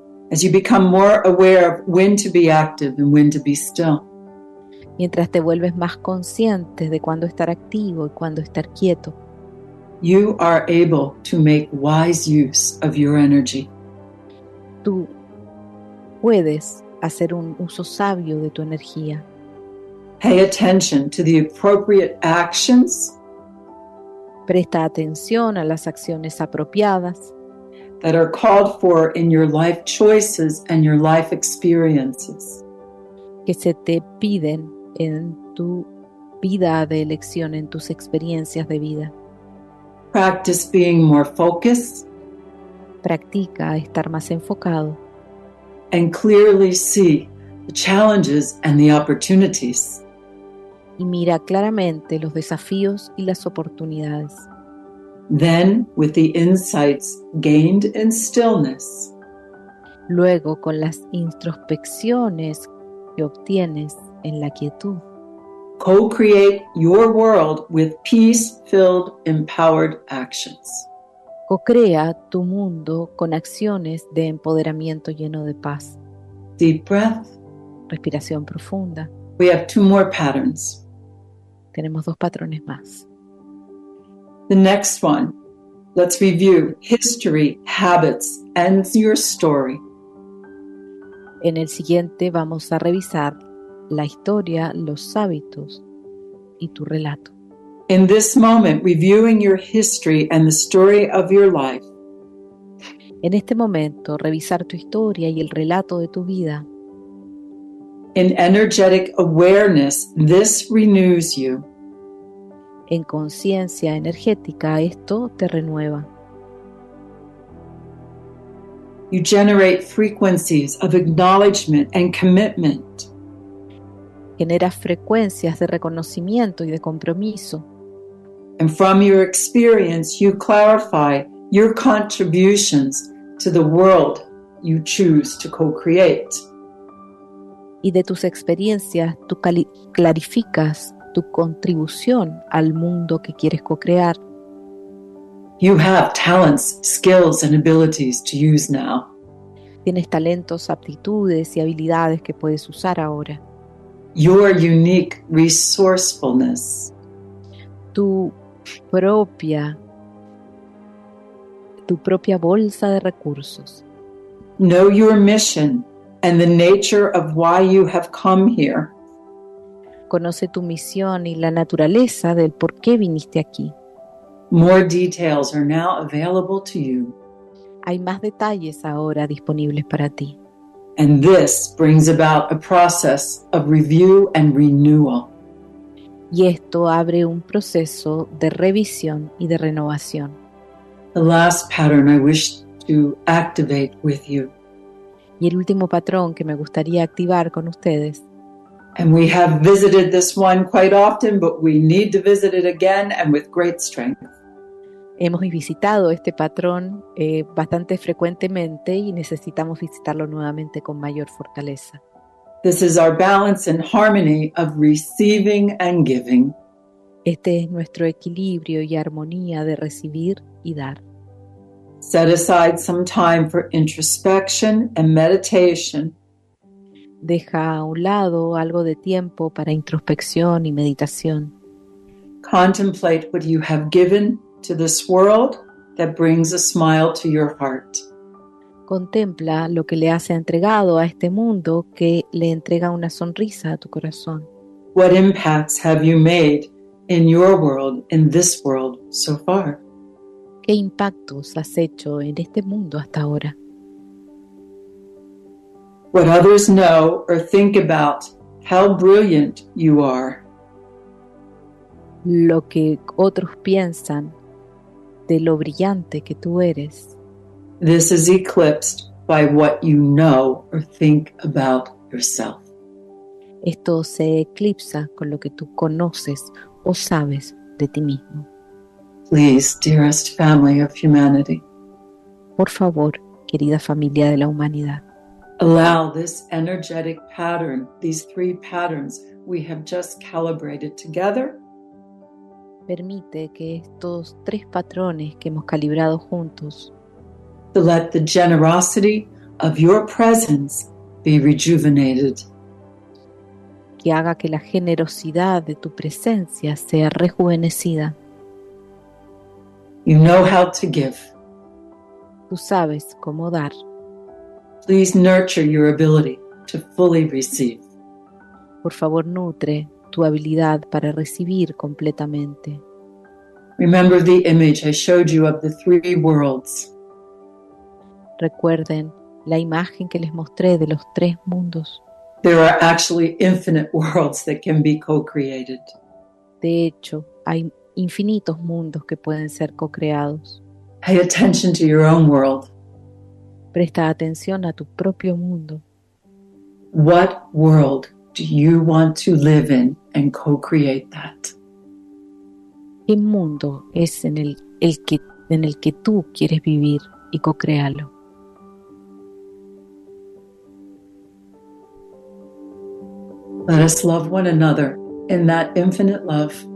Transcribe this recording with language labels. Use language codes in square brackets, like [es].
[en] As you become more aware of when to be active and when to be still. [es] Mientras te vuelves más consciente de cuándo estar activo y cuándo estar quieto. [en] You are able to make wise use of your energy. [es] Tú puedes hacer un uso sabio de tu energía. [en] Pay attention to the appropriate actions. [es] Presta atención a las acciones apropiadas. [en] That are called for in your life choices and your life experiences. [es] Que se te piden en tu vida de elección, en tus experiencias de vida. [en] Practice being more focused. [es] Practica estar más enfocado. [en] And clearly see the challenges and the opportunities. [es] Y mira claramente los desafíos y las oportunidades. [en] Then, with the insights gained in stillness. [es] Luego, con las introspecciones que obtienes en la quietud. [en] Co-create your world with peace-filled, empowered actions. [es] Co-crea tu mundo con acciones de empoderamiento lleno de paz. [en] Deep breath. [es] Respiración profunda. [en] We have two more patterns. [es] Tenemos dos patrones más. [en] The next one. Let's review history, habits, and your story. [es] En el siguiente vamos a revisar la historia, los hábitos y tu relato. [en] In this moment, reviewing your history and the story of your life. [es] En este momento, revisar tu historia y el relato de tu vida. [en] In energetic awareness, this renews you. [es] En conciencia energética, esto te renueva. [en] You generate frequencies of acknowledgement and commitment. [es] Generas frecuencias de reconocimiento y de compromiso. [en] And from your experience, you clarify your contributions to the world you choose to co-create. [es] Y de tus experiencias, tú clarificas tu contribución al mundo que quieres co-crear. [en] You have talents, skills, and abilities to use now. [es] Tienes talentos, aptitudes y habilidades que puedes usar ahora. [en] Your unique resourcefulness. [es] Tu propia bolsa de recursos. [en] Know your mission and the nature of why you have come here. [es] Conoce tu misión y la naturaleza del por qué viniste aquí. [en] More details are now available to you. [es] Hay más detalles ahora disponibles para ti. [en] And this brings about a process of review and renewal. [es] Y esto abre un proceso de revisión y de renovación. [en] The last pattern I wish to activate with you. [es] Y el último patrón que me gustaría activar con ustedes. [en] And we have visited this one quite often, but we need to visit it again and with great strength. [es] Hemos visitado este patrón bastante frecuentemente y necesitamos visitarlo nuevamente con mayor fortaleza. [en] This is our balance and harmony of receiving and giving. [es] Este es nuestro equilibrio y armonía de recibir y dar. [en] Set aside some time for introspection and meditation. [es] Deja a un lado algo de tiempo para introspección y meditación. [en] Contemplate what you have given to this world that brings a smile to your heart. [es] Contempla lo que le has entregado a este mundo que le entrega una sonrisa a tu corazón. [en] What impacts have you made in your world, in this world, so far? [es] ¿Qué impactos has hecho en este mundo hasta ahora? [en] What others know or think about how brilliant you are. [es] Lo que otros piensan de lo brillante que tú eres. [en] This is eclipsed by what you know or think about yourself. [es] Esto se eclipsa con lo que tú conoces o sabes de ti mismo. [en] Please, dearest family of humanity. [es] Por favor, querida familia de la humanidad. [en] Allow this energetic pattern, these three patterns we have just calibrated together. [es] Permite que estos tres patrones que hemos calibrado juntos. [en] To let the generosity of your presence be rejuvenated. [es] Que haga que la generosidad de tu presencia sea rejuvenecida. [en] You know how to give. [es] Tú sabes cómo dar. [en] Please nurture your ability to fully receive. [es] Por favor, nutre tu habilidad para recibir completamente. [en] Remember the image I showed you of the three worlds. [es] Recuerden la imagen que les mostré de los tres mundos. [en] There are actually infinite worlds that can be co-created. [es] De hecho, hay infinitos mundos que pueden ser co-creados. [en] Pay attention to your own world. [es] Presta atención a tu propio mundo. [en] What world do you want to live in and co-create that? [es] ¿Qué mundo es en el que tú quieres vivir y co-crearlo? [en] Let us love one another in that infinite love.